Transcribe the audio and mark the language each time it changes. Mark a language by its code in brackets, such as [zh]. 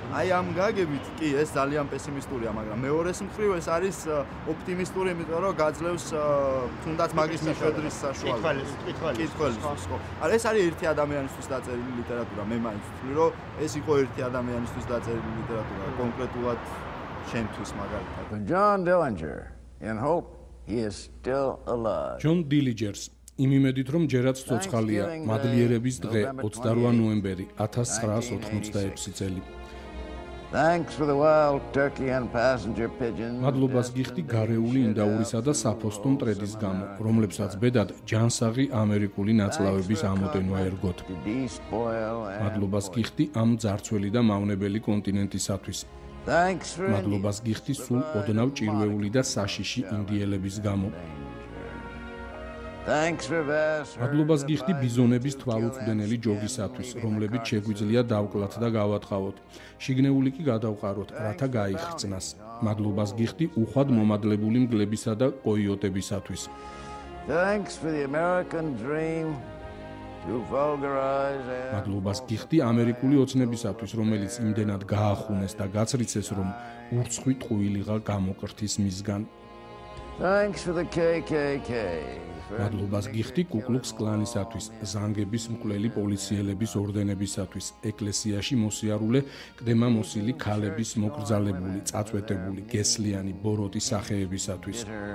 [ka] აი ამ გაგებით კი ეს ძალიან პესიმისტურია, მაგრამ მეორეს მხრივ ეს არის ოპტიმისტური, იმიტომ რომ გაძლევს თუნდაც მაგის მიხედვით საშუალებას. კითხვალის. ანუ ეს არის ერთი ადამიანისთვის დაწერილი ლიტერატურა, მე მაინც ვთვლი, რომ ეს იყო ერთი ადამიანისთვის დაწერილი ლიტერატურა, კონკრეტულად ჩემთვის მაგალითად. [en] But John Dillinger, in hope he is still alive. [ka] John Dillinger იმიმედით, რომ ჯერაც ცოცხალია. მადლიერების დღე, 28 ნოემბერი 1986 წელი. [en] Thanks for the wild turkey and passenger pigeons. [ka] მადლობას გიხდი გარეული ინდაურისა და საფოსტო მტრედის გამო, რომლებსაც ბედად ჯანსაღი ამერიკული ნაწლავების ამოტენვა ერგოთ. მადლობას გიხდი ამ ძარცველი და მავნებელი კონტინენტისათვის. მადლობას გიხდი სულ ოდნავ ჭირვეული და საშიში ინდიელების გამო. [en] Thanks for this. [ka] მადლობას გიხდი ბიზონების თვალუწვდენელი ჯოგისათვის, რომლებიც შეგვიძლია დავკლათ და გავატყავოთ. შიგნეული კი გადავყაროთ, რათა გაიხრწნას. მადლობას გიხდი უხვად მომადლებული მგლებისა და კოიოტებისათვის. [en] Thanks for the American dream. [ka] მადლობას გიხდი ამერიკული ოცნებისათვის, რომელიც იმდენად გაახუნეს და გაცრიცეს, რომ უცხვი ტყუილიღა გამოკრთის მისგან. [en] Thanks for the KKK. [ka] მადლობას გიხდი კუკლუქს კლანისათვის, ზანგების მკვლელი პოლიციელების ორდენებისათვის, ეკლესიაში მოსიარულე კდემა მოსილი ქალების მოკრძალებული, წაწვეტებული, გესლიანი, ბოროტი სახეებისათვის.